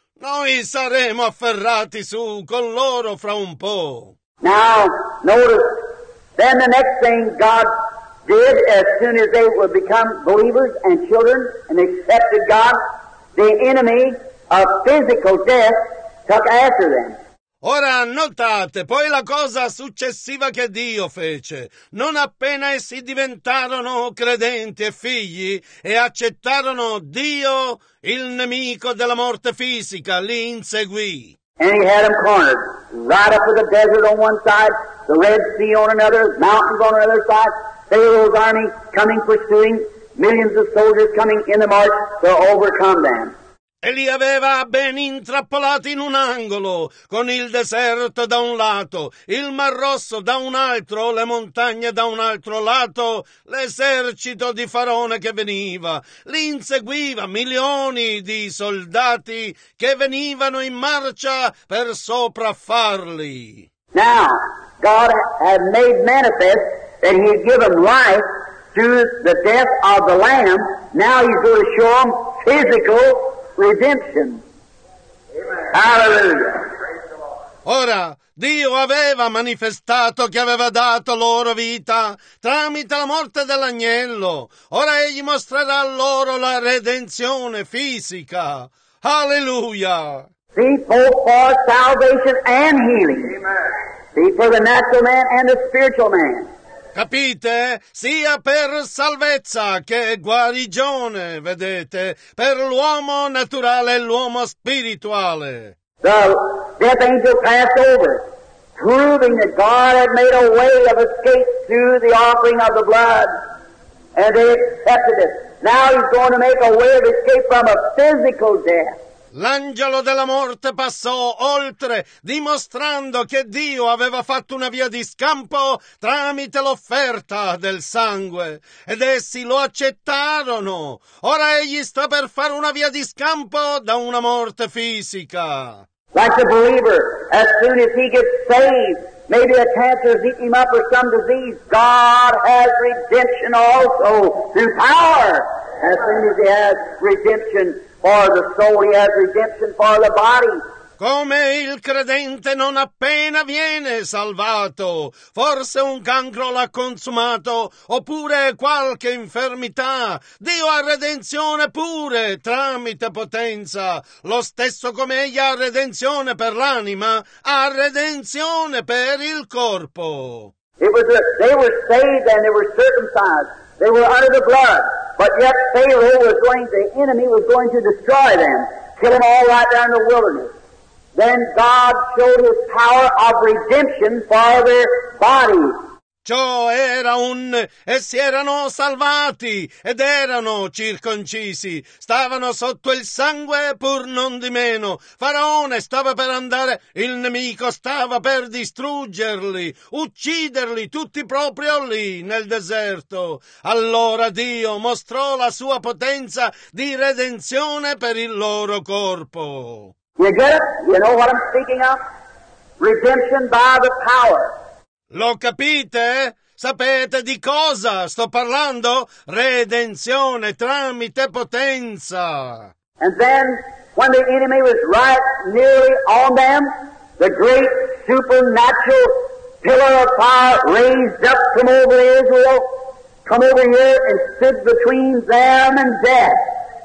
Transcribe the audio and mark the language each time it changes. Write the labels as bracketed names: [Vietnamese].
[Italian] Noi saremo afferrati su con loro fra un po'. [English] Now, notice, then the next thing God did, as soon as they would become believers and children and accepted God, the enemy of physical death took after them. [Italian] Ora notate, poi la cosa successiva che Dio fece, non appena essi diventarono credenti e figli e accettarono Dio, il nemico della morte fisica, li inseguì. [English] And he had them cornered, right up to the desert on one side, the Red Sea on another, mountains on another side, Pharaoh's army coming pursuing, millions of soldiers coming in the march to overcome them. [Italian] E li aveva ben intrappolati in un angolo, con il deserto da un lato, il Mar Rosso da un altro, le montagne da un altro lato, l'esercito di Faraone che veniva. Li inseguiva milioni di soldati che venivano in marcia per sopraffarli. [English] Now, God had made manifest that he had given life through the death of the Lamb. Now he's going to show them physical redemption. Hallelujah. [Italian] Ora, Dio aveva manifestato che aveva dato loro vita tramite la morte dell'agnello. Ora egli mostrerà loro la redenzione fisica. Hallelujah. [English] See, both for salvation and healing. Amen. See, for the natural man and the spiritual man. [Italian] Capite? Sia per salvezza che guarigione, vedete, per l'uomo naturale e l'uomo spirituale. [English] The death angel passed over, proving that God had made a way of escape through the offering of the blood, and they accepted it. Now he's going to make a way of escape from a physical death. [Italian] L'angelo della morte passò oltre, dimostrando che Dio aveva fatto una via di scampo tramite l'offerta del sangue, ed essi lo accettarono. Ora egli sta per fare una via di scampo da una morte fisica. [English] Like the believer, as soon as he gets saved, maybe a cancer has eaten him up or some disease, God has redemption also through power. As soon as he has redemption, for the soul he has redemption for the body. [Italian] Come il credente non appena viene salvato, forse un cancro l'ha consumato, oppure qualche infermità, Dio ha redenzione pure tramite potenza. Lo stesso come egli ha redenzione per l'anima, ha redenzione per il corpo. [English] They were saved and they were circumcised. They were under the blood. But yet Pharaoh was going, the enemy was going to destroy them, kill them all right there in the wilderness. Then God showed his power of redemption for their bodies. [Italian] Ciò era un, essi erano salvati ed erano circoncisi, stavano sotto il sangue pur non di meno. Faraone stava per andare, il nemico stava per distruggerli, ucciderli tutti proprio lì nel deserto. Allora Dio mostrò la sua potenza di redenzione per il loro corpo. [English] You get it? You know what I'm speaking of? Redemption by the power. [Italian] Lo capite? Sapete di cosa sto parlando? Redenzione tramite potenza. [English] And then, when the enemy was right nearly on them, the great supernatural pillar of fire raised up from over Israel, come over here and stood between them and death.